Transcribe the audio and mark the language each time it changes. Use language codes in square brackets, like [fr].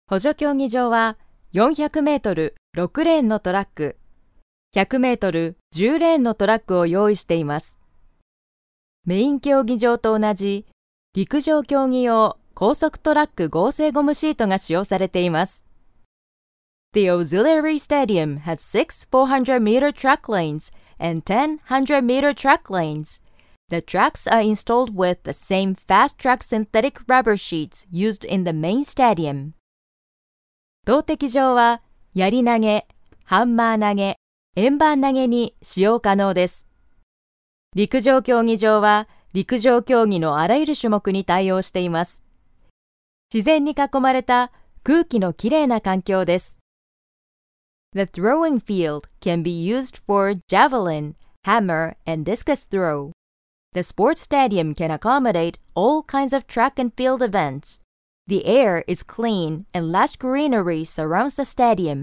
[ja] 補助競技場は400メートル6レーンのトラック、100メートル10レーンのトラックを用意しています。メイン競技場と同じ陸上競技用高速トラック合成ゴムシートが使用されています。 [en] The Auxiliary Stadium has six 400-meter track lanes and 10 100-meter track lanes. The tracks are installed with the same fast-track synthetic rubber sheets used in the main stadium. [ja] 投擲場は、やり投げ、ハンマー投げ、円盤投げに使用可能です。陸上競技場は、陸上競技のあらゆる種目に対応しています。自然に囲まれた空気のきれいな環境です。 [en] The throwing field can be used for javelin, hammer, and discus throw. The sports stadium can accommodate all kinds of track and field events. The air is clean and lush greenery surrounds the stadium.